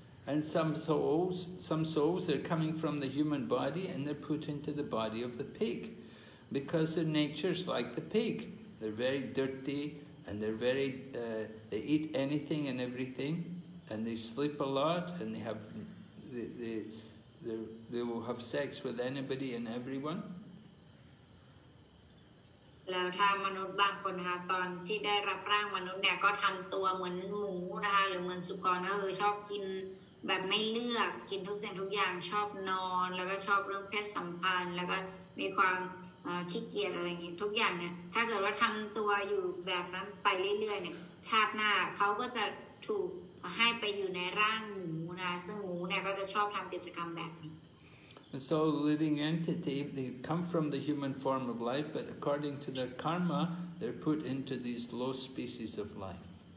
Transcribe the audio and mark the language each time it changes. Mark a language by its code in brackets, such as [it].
[en] And some souls are coming from the human body and they're put into the body of the pig because their nature's like the pig. They're very dirty and they're very, they eat anything and everything and they sleep a lot and they will have sex with anybody and everyone. [th] แล้วถ้ามนุษย์บางคนนะคะตอนที่ได้รับร่างมนุษย์เนี่ยก็ทำตัวเหมือนหมูนะคะหรือเหมือนสุกรก็ชอบกินแบบไม่เลือกกินทุกสิ่งทุกอย่างชอบนอนแล้วก็ชอบเรื่องเพศสัมพันธ์แล้วก็มีความขี้เกียจอะไรอย่างนี้ทุกอย่างเนี่ยถ้าเกิดว่าทำตัวอยู่แบบนั้นไปเรื่อยๆเนี่ยชาติหน้าเขาก็จะถูกให้ไปอยู่ในร่างหมูนะซึ่งหมูเนี่ยก็จะชอบทำกิจกรรมแบบนี้ [en] And so living entity, they come from the human form of life, but according to their karma, they're put into these low species of life.